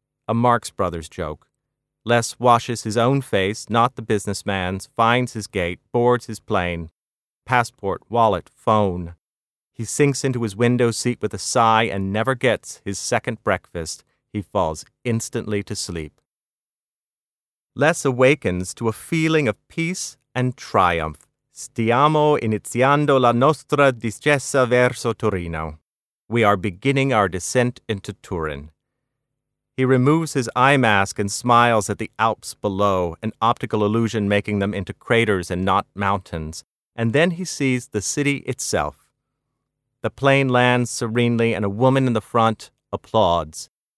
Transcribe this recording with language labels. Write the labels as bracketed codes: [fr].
[en] A Marx Brothers joke. Les washes his own face, not the businessman's, finds his gate, boards his plane. Passport, wallet, phone. He sinks into his window seat with a sigh and never gets his second breakfast. He falls instantly to sleep. Les awakens to a feeling of peace and triumph. [it] Stiamo iniziando la nostra discesa verso Torino. [en] We are beginning our descent into Turin. He removes his eye mask and smiles at the Alps below, an optical illusion making them into craters and not mountains. And then he sees the city itself. The plane lands serenely and a woman in the front applauds.